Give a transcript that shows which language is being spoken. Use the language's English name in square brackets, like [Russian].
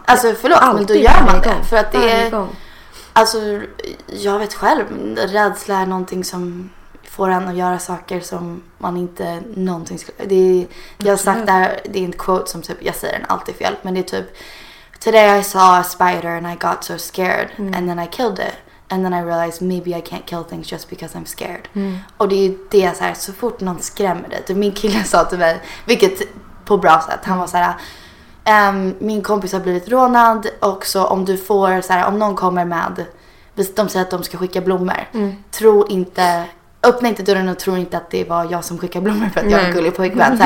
[Swedish] Alltså förlåt, alltid, men då gör man det. För att det är, alltså jag vet själv, rädsla är någonting som får en att göra saker som man inte någonting skulle... Det är, jag har sagt där, det är en quote som typ, jag säger den alltid fel, men det är typ: [English] "Today I saw a spider and I got so scared and then I killed it. And then I realized maybe I can't kill things just because I'm scared." Mm. [Swedish] Och det är ju det, så här, så fort någon skrämmer det. Min kille sa till mig, vilket på bra sätt, han var så här: "Min kompis har blivit rånad, och så om du får, så här, om någon kommer med, de säger att de ska skicka blommor, tro inte, öppna inte dörren och tro inte att det var jag som skickar blommor för att jag är en gullig pojkvän.